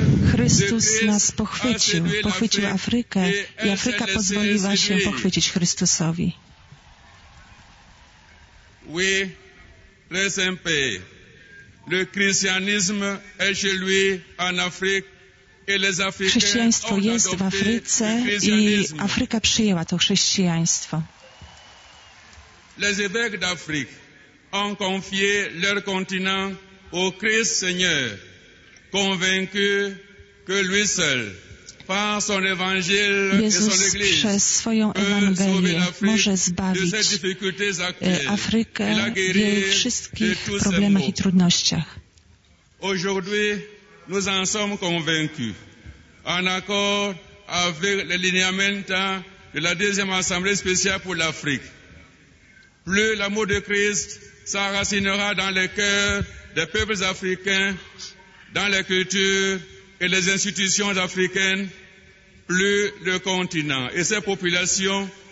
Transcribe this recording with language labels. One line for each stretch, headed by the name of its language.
Polish: Chrystus nas pochwycił, pochwycił Afrykę i Afryka pozwoliła się pochwycić Chrystusowi.
French: Oui, très simple. Le christianisme est chez lui en Afrique et les Africains.
Polish: Chrześcijaństwo jest w Afryce i Afryka przyjęła to chrześcijaństwo.
French: Les évêques d'Afrique ont confié leur continent au Christ Seigneur. Convaincu que lui seul, par son évangile
Polish: Jezus
French: et son église,
Polish: przez swoją Ewangelię może zbawić Afrykę w jej wszystkich problemach i trudnościach.
French: Aujourd'hui, nous en sommes convaincus, en accord avec les lignements de la deuxième assemblée spéciale pour l'Afrique. Plus l'amour de Christ s'enracinera dans les cœurs des peuples africains, dans les cultures et les institutions africaines, plus le continent et ses populations